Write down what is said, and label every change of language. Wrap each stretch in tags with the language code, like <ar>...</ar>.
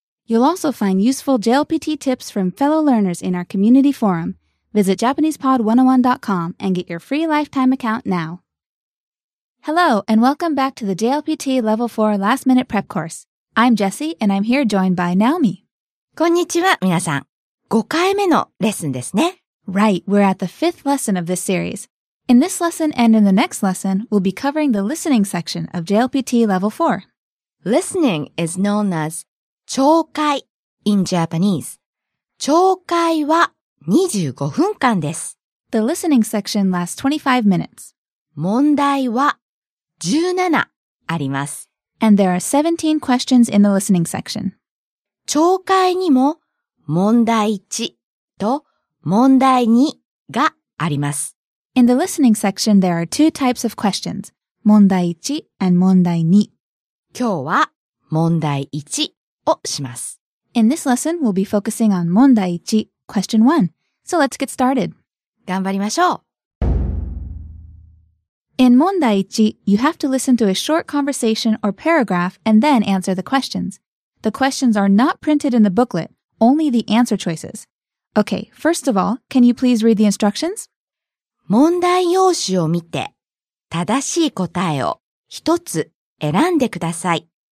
<en>You'll also find useful JLPT tips from fellow learners in our community forum. Visit JapanesePod101.com and get your free lifetime account now. Hello, and welcome back to the JLPT Level 4 Last Minute Prep Course. I'm Jessie, and I'm here joined by Naomi.</en> <ja>こんにちは、皆さん。 5回目のレッスンですね。</ja> <en>Right, we're at the fifth lesson of this series. In this lesson and in the next lesson, we'll be covering the listening section of JLPT Level 4. Listening is known as 聴解 in Japanese.</en> <ja>聴解は25分間です。</ja> <en>The listening section lasts 25 minutes.</en> <ja>問題は17あります。</ja> <en>And there are 17 questions in the listening section.</en> <ja>聴解にも問題1と問題2があります。</ja> <en>In the listening section, there are two types of questions, 問題1 and 問題2。</en> <ja>今日は問題1をします。</ja> <en>In this lesson, we'll be focusing on 問題1, question 1. So let's get started.</en> <ja>頑張りましょう。</ja> <en>In 問題1, you have to listen to a short conversation or paragraph and then answer the questions. The questions are not printed in the booklet, only the answer choices. Okay, first of all, can you please read the instructions?</en> <ja>問題用紙を見て、正しい答えを一つ選んでください。</ja>